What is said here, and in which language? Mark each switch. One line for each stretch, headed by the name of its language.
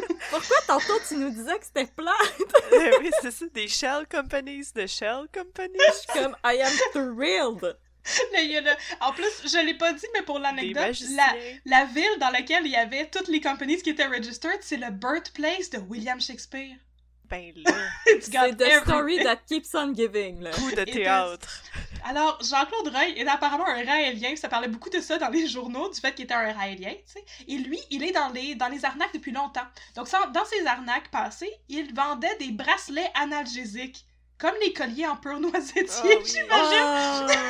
French: Pourquoi tantôt tu nous disais que c'était plate? Oui, c'est ça, des Shell Companies, de Shell Companies. Je suis comme,
English: I am thrilled!
French: Mais il y a le... En plus, je l'ai pas dit, mais pour l'anecdote, la ville dans laquelle il y avait toutes les companies qui étaient
English: registered,
French: c'est le
English: birthplace
French: de William Shakespeare. C'est
English: the story that keeps on giving.
French: Là. Coup de théâtre. Alors, Jean-Claude Reuil est apparemment un raélien. Ça parlait beaucoup de ça dans les journaux, du fait qu'il était un raélien. T'sais. Et lui, il est dans les arnaques depuis longtemps. Donc, dans ses arnaques passées, il vendait des bracelets analgésiques, comme les colliers en pur noisetier, oh, j'imagine. Oh.